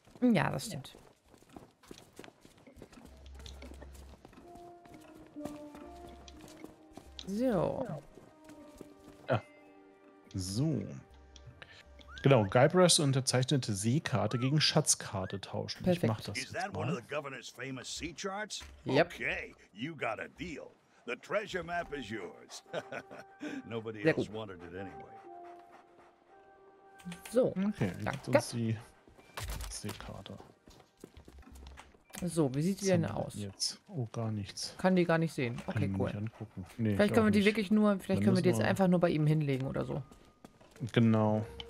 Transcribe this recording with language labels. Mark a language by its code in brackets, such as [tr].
[de] Ja, das stimmt. Ja. So. Ja. So. Genau, Guybrush unterzeichnete Seekarte gegen Schatzkarte tauschen. Perfekt. Ich mach das jetzt mal. [en] Is that one of the governor's famous sea charts? Yep. Okay, you got a deal. The treasure map is yours. Nobody else wanted it anyway. [de] So. Okay, jetzt die Seekarte. So, wie sieht die denn aus? Jetzt? Oh, gar nichts. Kann die gar nicht sehen. Okay, cool. Nicht angucken. Nee, vielleicht können wir nicht. Die wirklich nur, vielleicht dann können wir die jetzt einfach nur bei ihm hinlegen oder so. Genau.